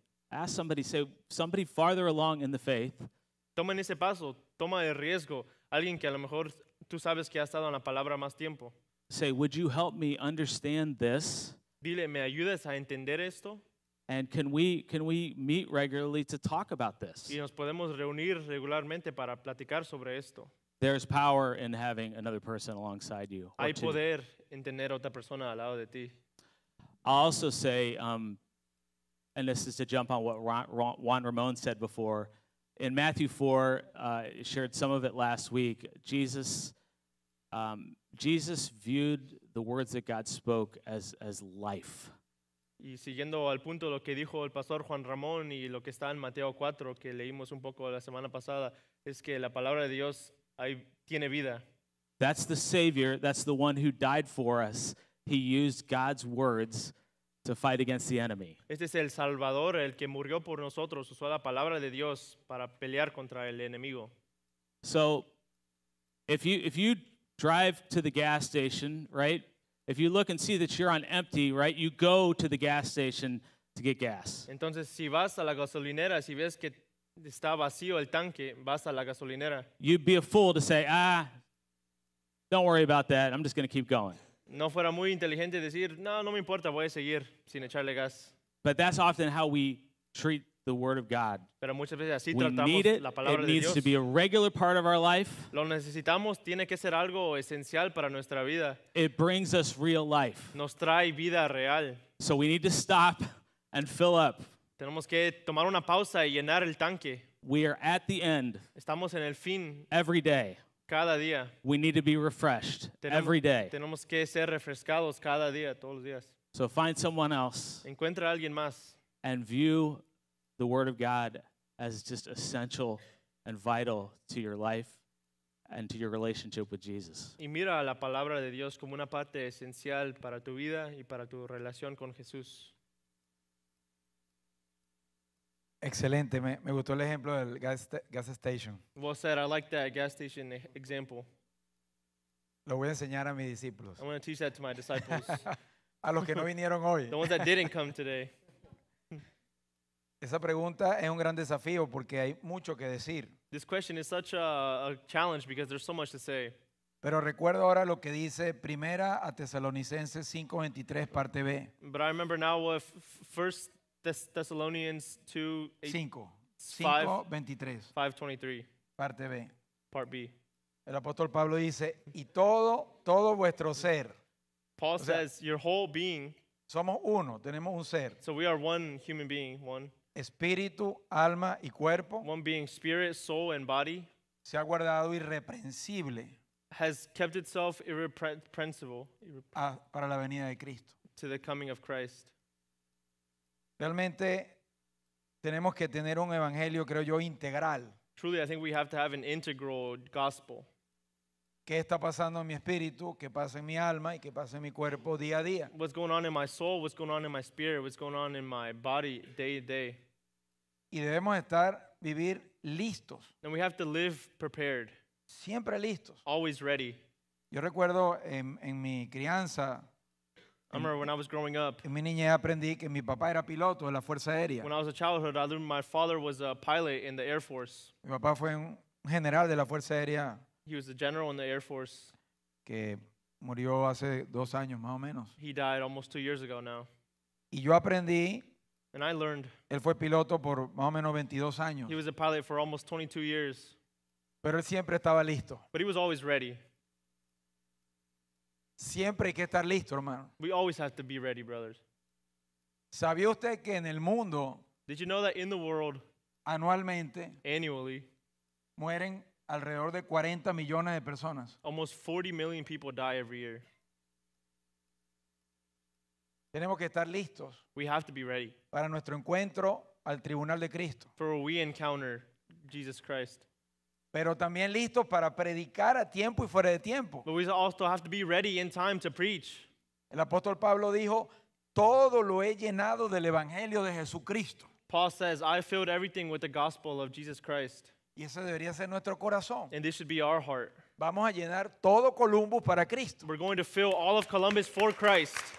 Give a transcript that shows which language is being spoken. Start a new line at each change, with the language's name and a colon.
English: Ask somebody, say somebody farther along in the faith.
Spanish: Tomen ese paso, toma el riesgo, alguien que a lo mejor tú sabes que ha estado en la palabra más tiempo.
English: Say, "Would you help me understand this?"
Spanish: Dile, "¿Me ayudas a entender esto?"
English: And can we meet regularly to talk about this?
Spanish: Y nos podemos reunir regularmente para platicar sobre esto.
English: There's power in having another person alongside you.
Spanish: Hay poder en tener otra persona al lado de ti.
English: I'll also say, and this is to jump on what Juan Ramon said before, in Matthew 4, shared some of it last week, Jesus viewed the words that God spoke as life.
Spanish: Y siguiendo al punto lo que dijo el pastor Juan Ramón y lo que está en Mateo 4 que leímos un poco la semana pasada es que la palabra de Dios ahí tiene vida.
English: That's the Savior, that's the one who died for us. He used God's words to fight against the enemy.
Spanish: Este es el Salvador, el que murió por nosotros, usó la palabra de Dios para pelear contra el enemigo.
English: So if you drive to the gas station, right? If you look and see that you're on empty, right? You go to the gas station to get gas.
Spanish: Entonces, si vas a la gasolinera, si ves que está vacío el tanque, vas a la gasolinera.
English: You'd be a fool to say, "Ah, don't worry about that. I'm just going to keep going."
Spanish: No fuera muy inteligente decir, "No, no me importa, voy a seguir sin echarle gas."
English: But that's often how we treat the word of God.
Spanish: Pero muchas veces así
English: we
Spanish: tratamos
English: need it.
Spanish: La palabra
English: it needs
Spanish: Dios.
English: To be a regular part of our life.
Spanish: Lo necesitamos. Tiene que ser algo esencial para nuestra vida.
English: It brings us real life.
Spanish: Nos trae vida real.
English: So we need to stop and fill up.
Spanish: Tenemos que tomar una pausa y llenar el tanque.
English: We are at the end.
Spanish: Estamos en el fin.
English: Every day.
Spanish: Cada día.
English: We need to be refreshed. Every day.
Spanish: Tenemos que ser refrescados cada día, todos los días.
English: So find someone else.
Spanish: Encuentra a alguien más.
English: And view the word of God as just essential and vital to your life and to your relationship with Jesus.
Spanish: Y mira la palabra de Dios como una parte esencial para tu vida y para tu relación con Jesús. Excelente, me gustó el ejemplo del gas station.
English: Well said, I like that gas station example.
Spanish: Lo voy a enseñar a mis discípulos.
English: I'm going to teach that to my disciples.
Spanish: A los que no vinieron hoy.
English: The ones that didn't come today.
Spanish: Esa pregunta es un gran desafío porque hay mucho que decir.
English: This question is such a challenge because there's so much to say.
Spanish: Pero recuerdo ahora lo que dice Primera a Tesalonicenses 5:23 parte B.
English: But I remember now what First Thessalonians
Spanish: 5:23 parte B.
English: Part B.
Spanish: El apóstol Pablo dice, y todo vuestro ser.
English: Paul says your whole being.
Spanish: Somos uno, tenemos un ser.
English: So we are one human being, one.
Spanish: Espíritu, alma y cuerpo.
English: One being spirit, soul, and body.
Spanish: Se ha guardado irreprensible.
English: Has kept itself irreprensible.
Spanish: Para la venida de Cristo.
English: To the coming of Christ.
Spanish: Realmente tenemos que tener un evangelio, creo yo, integral.
English: Truly, I think we have to have an integral gospel.
Spanish: ¿Qué está pasando en mi espíritu? ¿Qué pasa en mi alma? ¿Y qué pasa en mi cuerpo día a día?
English: What's going on in my soul? What's going on in my spirit? What's going on in my body day to day?
Spanish: Y debemos estar, vivir listos.
English: And we have to live prepared.
Spanish: Siempre listos.
English: Always ready.
Spanish: Yo recuerdo en mi crianza.
English: I remember when I was growing up.
Spanish: En mi niñez aprendí que mi papá era piloto de la Fuerza Aérea.
English: When I was a childhood, I learned my father was a pilot in the Air Force.
Spanish: Mi papá fue un general de la Fuerza Aérea.
English: He was a general in the Air Force.
Spanish: Que murió hace 2 años, más o menos.
English: He died almost 2 years ago now.
Spanish: Y yo aprendí.
English: And I learned.
Spanish: Él fue piloto por más o menos 22 años.
English: He was a pilot for almost 22 years.
Spanish: Pero él siempre estaba listo.
English: But he was always ready.
Spanish: Siempre hay que estar listo, hermano.
English: We always have to be ready, brothers.
Spanish: ¿Sabía usted que en el mundo?
English: Did you know that in the world?
Spanish: Anualmente.
English: Annually.
Spanish: Mueren alrededor de 40 millones de personas.
English: Almost 40 million people die every year.
Spanish: Tenemos que estar listos.
English: We have to be ready.
Spanish: Para nuestro encuentro al tribunal de Cristo.
English: For we encounter Jesus Christ.
Spanish: Pero también listos para predicar a tiempo y fuera de tiempo.
English: But we also have to be ready in time to preach.
Spanish: El apóstol Pablo dijo, todo lo he llenado del evangelio de Jesucristo.
English: Paul says, I filled everything with the gospel of Jesus Christ.
Spanish: Y ese debería ser nuestro corazón.
English: And this should be our heart.
Spanish: Vamos a llenar todo Columbus para Cristo.
English: We're going to fill all of Columbus for Christ.